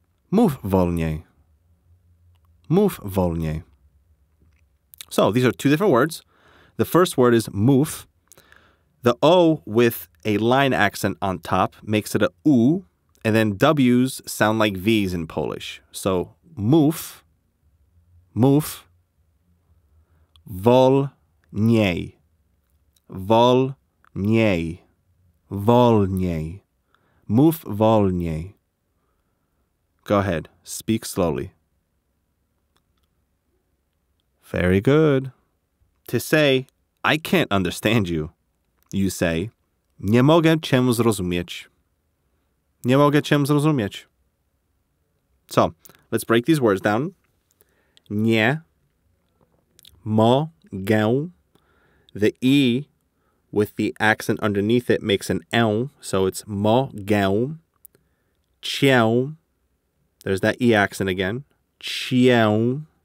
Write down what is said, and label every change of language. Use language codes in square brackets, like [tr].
[pl] Mów wolniej. Mów wolniej. [en] So, these are two different words. The first word is moof. The O with a line accent on top makes it a U, and then W's sound like V's in Polish. [pl] So, moof, moof, wolniej, wolniej, wolniej, moof wolniej. [en] Go ahead, speak slowly. Very good. To say, I can't understand you, you say, [pl] nie mogę cię zrozumieć. Nie mogę cię zrozumieć. [en] So, let's break these words down. [pl] Nie, mogę. [en] The E with the accent underneath it makes an L, so it's mogę. Cię, there's that E accent again. Cię.